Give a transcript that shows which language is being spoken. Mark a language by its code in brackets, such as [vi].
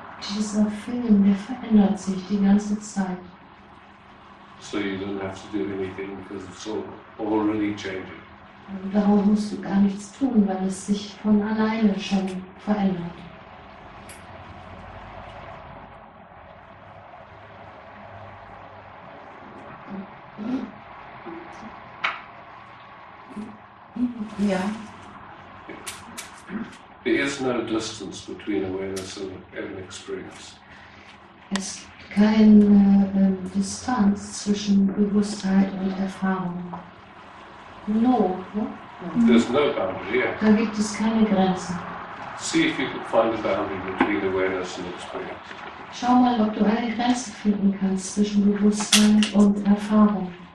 [de] Dieser Film, der verändert sich die ganze Zeit. [en] So you don't have to do anything because it's already changing. [de] Darum musst du gar nichts tun, weil es sich von alleine schon verändert. Ja. [en] There is no distance between awareness and an experience. [de] Es keine Distanz zwischen Bewusstheit und Erfahrung. No. [en] There's no boundary. [de] Da gibt es keine Grenzen. [en] See if you can find a boundary between awareness and experience. [de] Schau mal, ob du eine Grenze finden kannst zwischen Bewusstsein und Erfahrung.